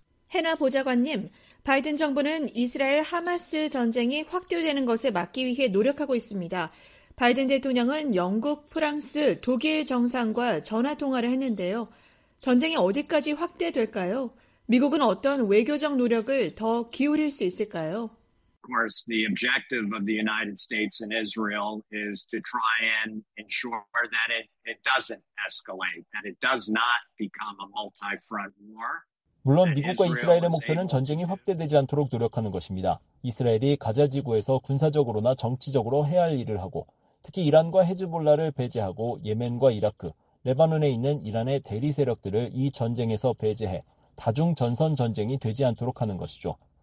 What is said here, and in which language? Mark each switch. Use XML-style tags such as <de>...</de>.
<ko>해나 보좌관님, 바이든 정부는 이스라엘 하마스 전쟁이 확대되는 것을 막기 위해 노력하고 있습니다. 바이든 대통령은 영국, 프랑스, 독일 정상과 전화통화를 했는데요. 전쟁이 어디까지 확대될까요? 미국은 어떤 외교적 노력을 더 기울일 수 있을까요?</ko> <en>Of course, the objective of the United States and Israel is to try and ensure that it doesn't escalate, that it does not become a multi-front war.</en> <ko>물론 미국과 이스라엘의 목표는 전쟁이 확대되지 않도록 노력하는 것입니다. 이스라엘이 가자지구에서 군사적으로나 정치적으로 해야 할 일을 하고 특히 이란과 헤즈볼라를 배제하고 예멘과 이라크, 레바논에 있는 이란의 대리 세력들을 이 전쟁에서 배제해 다중 전선 전쟁이 되지 않도록 하는 것이죠.</ko>